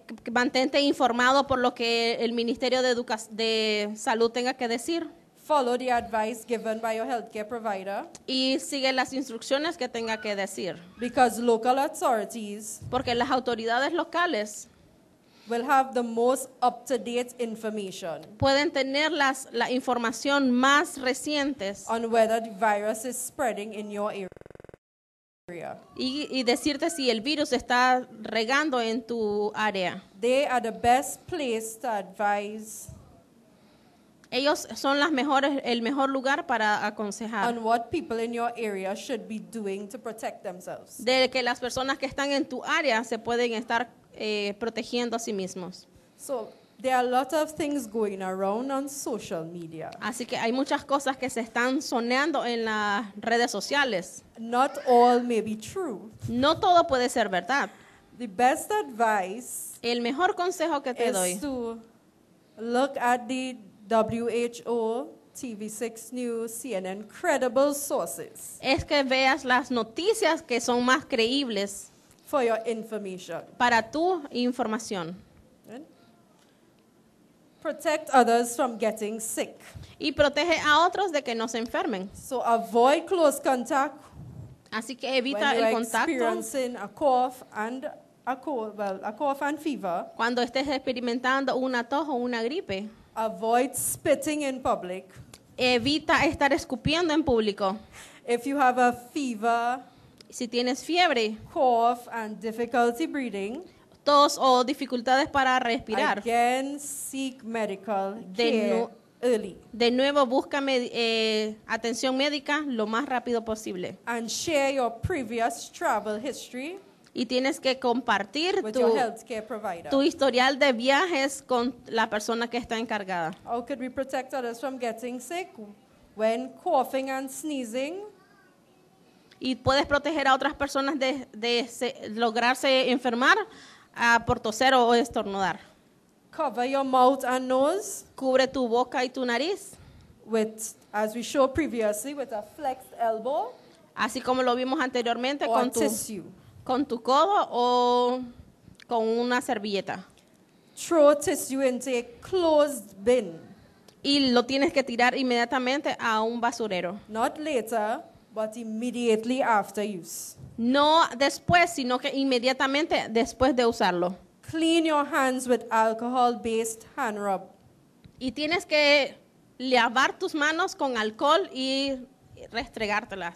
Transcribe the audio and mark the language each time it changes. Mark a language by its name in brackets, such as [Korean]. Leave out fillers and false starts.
[Spanish] Mantente informado por lo que el Ministerio de Salud tenga que decir. [English] Follow the advice given by your healthcare provider. [Spanish] Y sigue las instrucciones que tenga que decir. [English] Because local authorities. [Spanish] Porque las autoridades locales. [English] will have the most up-to-date information. [Spanish] Pueden tener las la información más recientes [English] on whether the virus is spreading in your area. [Spanish] Y decirte si el virus está regando en tu área. [English] They are the best place to advise. [Spanish] Ellos son las mejores, el mejor lugar para aconsejar. [English] On what people in your area should be doing to protect themselves. [Spanish] De que las personas que están en tu área se pueden estar protegiendo a sí mismos. [English] So there are a lot of things going around on social media. [Spanish] Así que hay muchas cosas que se están soneando en las redes sociales. [English] Not all may be true. [Spanish] No todo puede ser verdad. [English] The best advice. [Spanish] El mejor consejo que te doy [English] is to look at the WHO, TV6 News, CNN, credible sources. [Spanish] Es que veas las noticias que son más creíbles. [English] For your information. [Spanish] Para tu información. [English] Protect others from getting sick. [Spanish] Y protege a otros de que no se enfermen. [English] So avoid close contact. [Spanish] Así que evita [English] when [Spanish] el contacto. [English] When you're experiencing a cough and a cough and fever. [Spanish] Cuando estés experimentando una tos o una gripe. [English] Avoid spitting in public. [Spanish] Evita estar escupiendo en público. [English] If you have a fever. [Spanish] Si tienes fiebre, [English] cough and difficulty breathing, [Spanish] tos o dificultades para respirar, [English] again, seek medical care early. [Spanish] De nuevo, busca atención médica lo más rápido posible. [English] And share your previous travel history. [Spanish] Y tienes que compartir [English] with your healthcare provider. [Spanish] Tu historial de viajes con la persona que está encargada. [English] How could we protect others from getting sick when coughing and sneezing? [Spanish] Y puedes proteger a otras personas de lograrse enfermar por toser o estornudar. [English] Cover your mouth and nose. [Spanish] Cubre tu boca y tu nariz. [English] With, as we showed previously, with a flexed elbow. [Spanish] Así como lo vimos anteriormente, [English] or [Spanish] con tu [English] tissue. [Spanish] Con tu codo o con una servilleta. [English] Throw tissue into a closed bin. [Spanish] Y lo tienes que tirar inmediatamente a un basurero. [English] Not later. But immediately after use. [Spanish] No después, sino que inmediatamente después de usarlo. [English] Clean your hands with alcohol-based hand rub. [Spanish] Y tienes que lavar tus manos con alcohol y restregártelas.